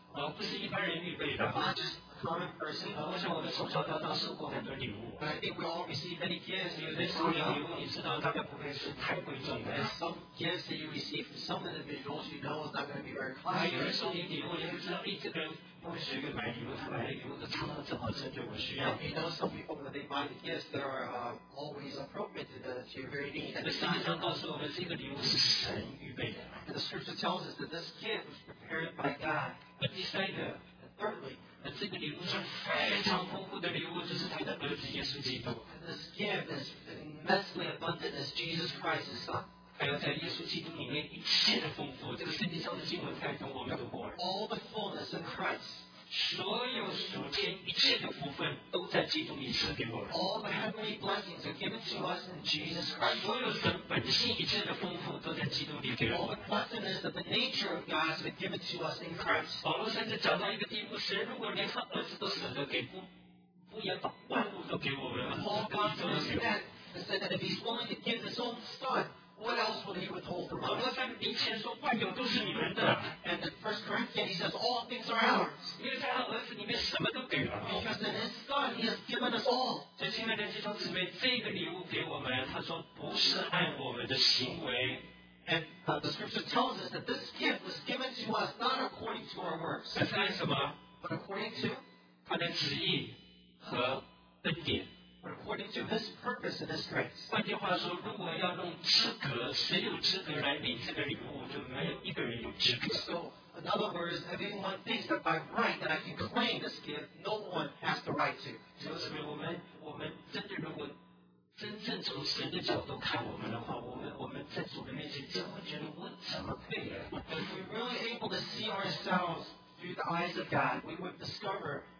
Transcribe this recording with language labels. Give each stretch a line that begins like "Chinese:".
Chinese: 哦，不是一般人预备的。
English: Not just a common person.
Chinese: 我想我们从小到大收过很多礼物。
English: I think we all receive many gifts.
Chinese: 有的时候礼物你知道大概不会是太贵重的。
English: Some gifts that you receive from some individuals you know is not going to be very costly.
Chinese: 还有人送你礼物，你会知道，哎，这个人。我随便买礼物，他买的礼物的仓正好针对我需要。
English: You know some people when they buy the gifts that are always appropriate to your very need.
Chinese: 圣经上告诉我们，这个礼物是神预备的。
English: The scripture tells us that this gift was prepared by God.
Chinese: But 第三个
English: ，Thirdly，
Chinese: 这个礼物是非常丰富的礼物，就是他的儿子耶稣基督。
English: This gift is immensely abundant as Jesus Christ's son.
Chinese: 还有在耶稣基督里面一切的丰富，这个圣经上的经文太多，我们读过了。
English: All the fullness of Christ，
Chinese: 所有属天一切的福分都在基督里赐给我们。
English: All the heavenly blessings are given to us in Jesus Christ.
Chinese: 所有神本性一切的丰富都在基督里给我们。
English: All the blessings of the nature of God are given to us in Christ.
Chinese: 保罗甚至讲到一个地步，神如果连他儿子都舍得给，不也把万物都给我们吗？
English: Paul God said that if he's willing to give his own son. What else would he withhold from us?
Chinese: 保罗在以前说万有都是你们的。
English: And in 1 Corinthians he says all things are ours.
Chinese: 因为在他儿子里面什么都给了。
English: Because in his son he has given us all.
Chinese: 所以亲爱的弟兄姊妹，这个礼物给我们，他说不是按我们的行为。
English: And the scripture tells us that this gift was given to us not according to our works.
Chinese: 而是按什么？
English: But according to
Chinese: 他的旨意和恩典。
English: But according to his purpose and his grace.
Chinese: 换句话说，如果要用资格，谁有资格来领这个礼物，就没有一个人有资格。
English: So, in other words, if anyone thinks that by right that I can claim this gift, no one has the right to.
Chinese: 就是我们真的如果真正从神的角度看我们的话，我们在主的面前真会觉得我怎么配呀？
English: If we're really able to see ourselves through the eyes of God, we would discover.